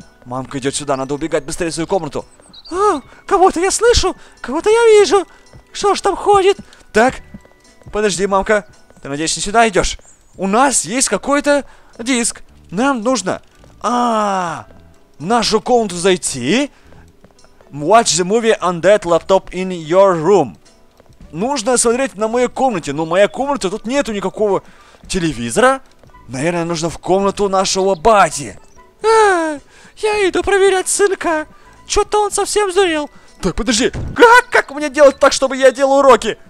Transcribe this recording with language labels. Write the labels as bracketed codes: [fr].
[ru] Мамка идет сюда, надо убегать быстрее в свою комнату. О, кого-то я слышу, кого-то я вижу. Что ж там ходит? Так, подожди, мамка. Ты, надеюсь, не сюда идешь? У нас есть какой-то диск. Нам нужно в нашу комнату зайти. [en] Watch the movie Undead Laptop in your room. [ru] Нужно смотреть на моей комнате. Но моя комната, тут нету никакого телевизора. Наверное, нужно в комнату нашего бати. Я иду проверять сынка. Чё-то он совсем зурел. Так, подожди. Как мне делать так, чтобы я делал уроки?